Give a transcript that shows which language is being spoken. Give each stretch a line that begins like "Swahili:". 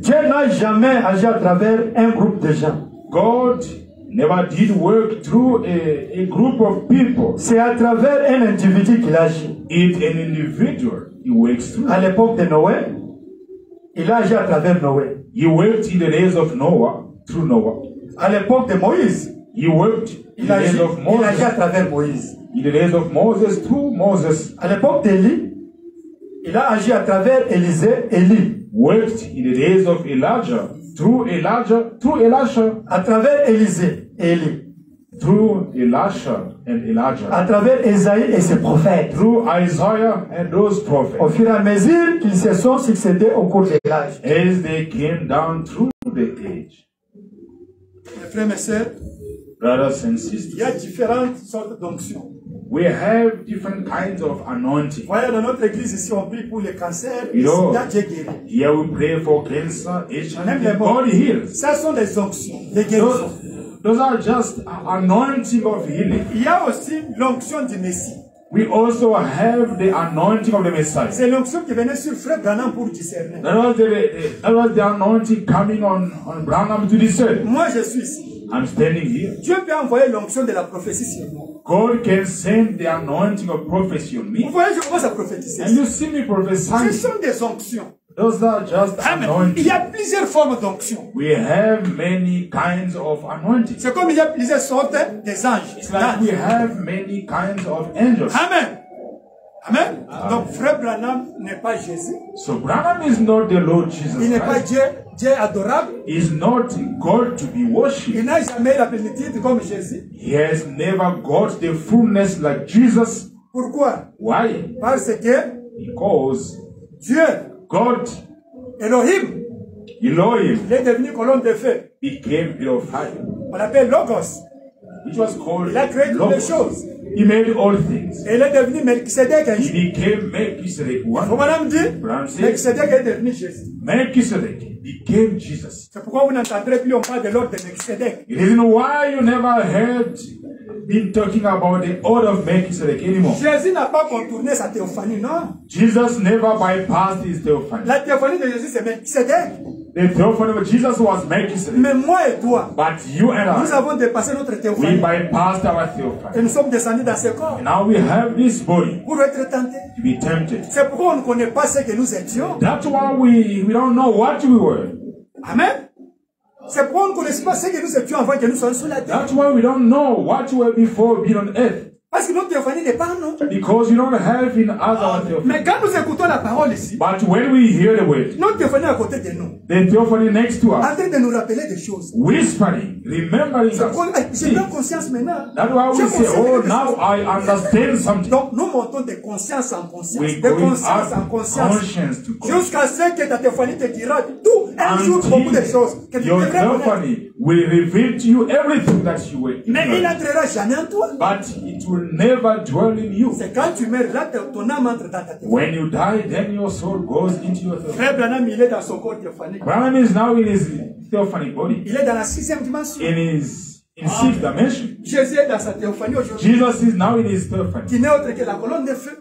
French: Dieu n'a jamais agi à travers un groupe de gens.
English: God never did work through a group of people.
French: C'est à travers un individu qu'il agit.
English: It's an individual he works through.
French: À l'époque de Noé, il agit à travers Noé.
English: He worked in the days of Noah through Noah.
French: À l'époque de Moïse,
English: he worked in the days of Moses.
French: Il agit à travers Moïse.
English: In the days of Moses through Moses.
French: À l'époque d'Élie, il a agi à travers Élisée, Élie.
English: Worked in the days of Elijah. Through Elisha.
French: À travers Élisée, Élie.
English: Through Elisha and Elijah.
French: À travers Esaïe et ses prophètes.
English: Through Isaiah and those prophets.
French: Au fur et à mesure qu'ils se sont succédés au cours de l'âge.
English: As they came down through the age.
French: Mes frères et sœurs.
English: Brothers and sisters.
French: Il y a différentes sortes d'onctions.
English: We have different kinds of anointing.
French: Voyez dans notre église ici on prie pour le cancer, la guérison.
English: Here we pray for cancer, HIV, God heals.
French: Ce sont des onctions, des guérisons.
English: Those are just anointing of healing.
French: Il y a aussi l'onction du Messie.
English: We also have the anointing of the Messiah.
French: C'est l'onction qui venait sur Frère Branham pour discerner.
English: That was the anointing coming on Branham to discern.
French: Moi je suis ici.
English: I'm standing here.
French: Dieu peut envoyer l'onction de la prophétie sur moi.
English: God can send the anointing of prophecy on me.
French: Vous voyez, je commence à prophétiser.
English: And you see me prophesying.
French: Ce sont des onctions.
English: Those are just anointing.
French: Il y a plusieurs formes d'onction.
English: We have many kinds of anointing.
French: C'est comme il y a plusieurs sortes des anges.
English: It's like we have many kinds of angels.
French: Amen. Amen. Amen. Donc Frère Branham n'est pas Jésus.
English: So Branham is not the Lord Jesus Christ.
French: Il n'est pas Dieu adorable.
English: Is not God to be worshipped.
French: Il n'a jamais la plénitude comme Jésus.
English: He has never got the fullness like Jesus.
French: Pourquoi?
English: Why?
French: Parce que.
English: Because.
French: Dieu.
English: God.
French: Elohim.
English: Elohim.
French: Il est devenu colonne de feu.
English: Became pillar of fire.
French: On l'appelle Logos.
English: It was called.
French: Il a créé toutes les choses.
English: He made all things.
French: Il est devenu Melchizedek.
English: He became Melchizedek.
French: Melchizedek est devenu Jésus.
English: Melchizedek became Jesus.
French: C'est pourquoi vous n'entendrez plus on parle de l'ordre de Melchizedek.
English: The reason why you never heard been talking about the order of Melchizedek anymore.
French: Jésus n'a pas contourné sa théophanie, non?
English: Jesus never bypassed his theophany.
French: La théophanie de Jésus c'est Melchizedek.
English: The theophany of Jesus was Melchizedek.
French: Mais moi et toi,
English: but you and
French: nous
English: I,
French: avons dépassé notre théophanie.
English: We bypassed our theophany.
French: Et nous sommes descendus dans ce corps.
English: And now we have this body.
French: Pour être tenté.
English: To be tempted.
French: C'est pourquoi on ne connaît pas ce que nous étions.
English: That's why we don't know what we were.
French: Amen. C'est pourquoi on ne connaît pas ce que nous étions avant que nous soyons sur la terre.
English: That's why we don't know what we were before being on earth.
French: Parce que notre théophanie n'est pas en nous.
English: Because you don't have in us our theophany.
French: Mais quand nous écoutons la parole ici,
English: but when we hear the word,
French: notre théophanie est à côté de nous.
English: The theophany next to us.
French: En train de nous rappeler des choses.
English: Whispering, remembering us.
French: J'ai bien conscience maintenant.
English: That's why we say, oh, now I understand something.
French: Donc nous montons de conscience en conscience, de conscience en conscience,
English: conscience to conscience.
French: Jusqu'à ce que ta théophanie te dira tout un jour beaucoup de choses.
English: Your theophany will reveal to you everything that you were.
French: Mais il n'entrera jamais en toi.
English: But it will never dwell in you.
French: C'est quand tu meurs là, ton âme entre dans ta tête.
English: When you die, then your soul goes into your theophany.
French: Frère Branham, il est dans son corps théophanique.
English: Branham is now in his theophany body.
French: Il est dans la sixième dimension.
English: In sixth dimension.
French: Jésus est dans sa théophanie aujourd'hui.
English: Jesus is now in his theophany.
French: Qui n'est autre que la colonne de feu.